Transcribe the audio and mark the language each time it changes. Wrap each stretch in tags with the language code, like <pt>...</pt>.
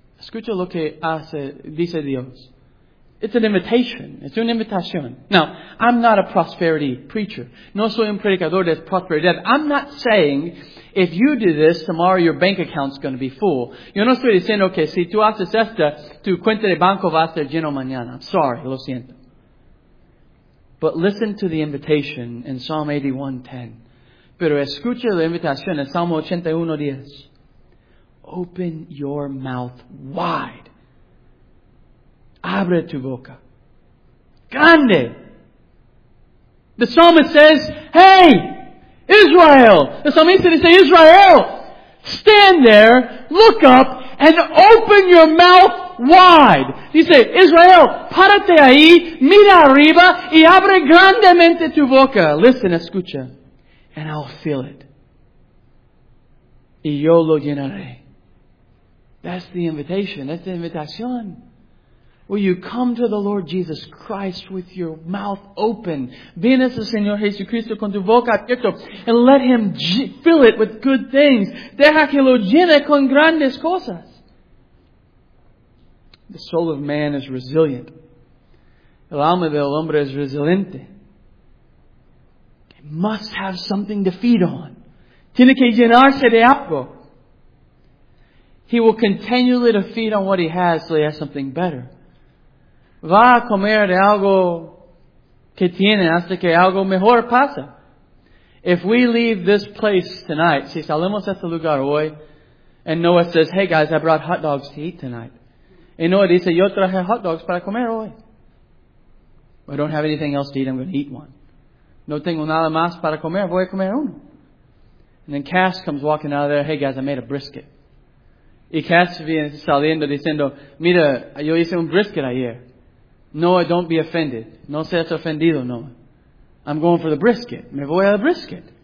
<es>Escucha lo que hace, dice Dios.</es> <en>It's an invitation. It's an invitation. Now, I'm not a prosperity preacher.</en> <es>No soy un predicador de prosperidad.</es> <en>I'm not saying, if you do this, tomorrow your bank account's going to be full.</en> <es>Yo no estoy diciendo que si tú haces esto, tu cuenta de banco va a estar lleno mañana.</es> <en>I'm sorry,</en> <es>lo siento.</es> <en>But listen to the invitation in Psalm 81:10.</en> <es>Pero escucha la invitación en Salmo 81:10.</es> <en>Open your mouth wide.</en> <es>Abre tu boca. Grande.</es> <en>The psalmist says, hey, Israel. The psalmist says, Israel, stand there, look up, and open your mouth wide.</en> <es>He says, Israel, párate ahí, mira arriba, y abre grandemente tu boca.</es> <en>Listen,</en> <es>escucha,</es> <en>and I'll fill it.</en> <es>Y yo lo llenaré.</es> <en>That's the invitation. That's the invitación. Will you come to the Lord Jesus Christ with your mouth open?</en> <es>Vienes al Señor Jesucristo con tu boca abierta.</es> <en>And let Him fill it with good things.</en> <es>Deja que lo llene con grandes cosas.</es> <en>The soul of man is resilient.</en> <es>El alma del hombre es resiliente.</es> <en>It must have something to feed on.</en> <es>Tiene que llenarse de algo.</es> <en>He will continually to feed on what he has so he has something better.</en> <es>Va a comer de algo que tiene hasta que algo mejor pasa.</es> <en>If we leave this place tonight,</en> <es>si salimos de este lugar hoy,</es> <en>and Noah says, hey guys, I brought hot dogs to eat tonight.</en> <es>Y Noah dice, yo traje hot dogs para comer hoy.</es> <en>I don't have anything else to eat, I'm going to eat one.</en> <es>No tengo nada más para comer, voy a comer uno.</es> <en>And then Cass comes walking out of there, hey guys, I made a brisket.</en> <es>Y Cass viene saliendo diciendo, mira, yo hice un brisket ayer.</es> <en>Noah, don't be offended.</en> <es>No seas ofendido, Noah.</es> <en>I'm going for the brisket.</en> <es>Me voy al brisket.</es>